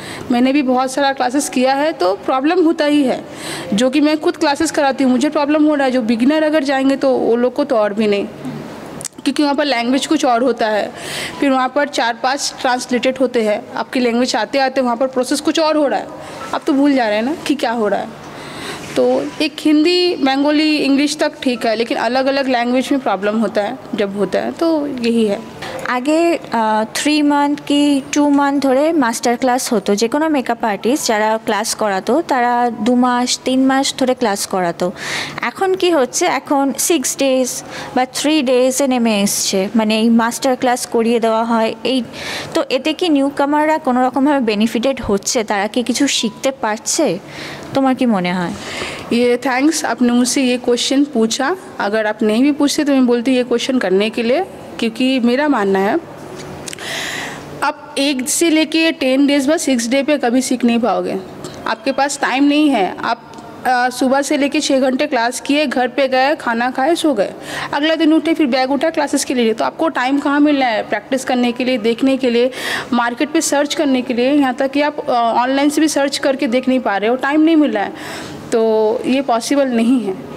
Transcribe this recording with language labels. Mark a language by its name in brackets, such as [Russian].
[Hindi] मैंने भी बहुत सारा क्लासेस किया है तो प्रॉब्लम होता ही है, जो कि मैं खुद क्लासेस कराती हूँ मुझे प्रॉब्लम हो रहा है, जो बिगिनर अगर जाएंगे तो वो लोग को तो और भी नहीं, क्योंकि वहाँ पर लैंग्वेज कुछ और होता है, फिर वहाँ पर चार पांच ट्रांसलेटेड होते हैं, आपकी लैंग्वेज आते आते वहाँ पर प्रोसेस कुछ और हो रहा है, आप तो भूल जा रहे हैं ना कि क्या हो रहा है। तो एक हिंदी बंगाली इंग्लिश तक ठीक है, लेकिन अलग अलग लैंग्वेज में प्रॉब्लम होता है जब होता है, तो यही है। [Bangla] আগে 3 মান্থ কি 2 মান্থ ধরে মাস্টার ক্লাস হতো, যে কোনো মেকআপ আর্টিস্ট যারা ক্লাস করাতো তারা 2 মাস 3 মাস ধরে ক্লাস করাতো। এখন কি হচ্ছে, এখন 6 ডেজ বা 3 ডেজে নেমে এসছে, মানে এই মাস্টার ক্লাস করিয়ে দেওয়া হয়। এই তো এতে কি নিউ কামাররা কোনো রকমভাবে বেনিফিটেড হচ্ছে, তারা কি কিছু শিখতে পারছে, তোমার কি মনে হয়? [Hindi] ये थैंक्स, आपने मुझसे ये क्वेश्चन पूछा, अगर आप नहीं भी पूछते तो मैं बोलती ये क्वेश्चन करने के लिए, क्योंकि मेरा मानना है आप 1 से लेके 10 डेज बस 6 डे पे कभी सीख नहीं पाओगे, आपके पास टाइम नहीं है। आप सुबह से लेके 6 घंटे क्लास किए, घर पे गए, खाना खाए, सो गए, अगला दिन उठे, फिर बैग उठा क्लासेस के लिए, तो आपको टाइम कहाँ मिल रहा है प्रैक्टिस करने के लिए, देखने के लिए, मार्केट पे सर्च करने के लिए, यहाँ तक कि आप ऑनलाइन से भी सर्च करके देख नहीं पा रहे हो, टाइम नहीं मिल रहा है, तो ये पॉसिबल नहीं है।